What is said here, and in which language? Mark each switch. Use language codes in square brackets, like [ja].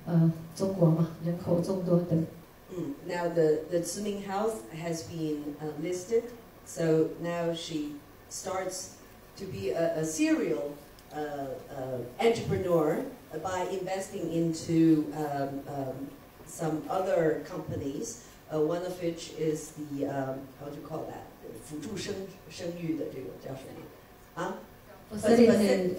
[zh] 那么现在已经还在创业的路上，所以我给我自己打的第二个身份，我觉得我还是创业者。先孵化推动创办了几个不同的在健康领域的这个产业吧。两个成型的方向就是一个刚才说的辅助生殖，所以在曼哈顿我们已经开了医院，在国内也开了医院，那么也在对，就是生育，对，也代表这个是一个中国嘛，人口众多的。 [en] Now the Zeming Health has been listed, so now she starts to be a serial entrepreneur by investing into some other companies, one of which is the, how do you call that? [zh] 辅助生育的这个叫什么?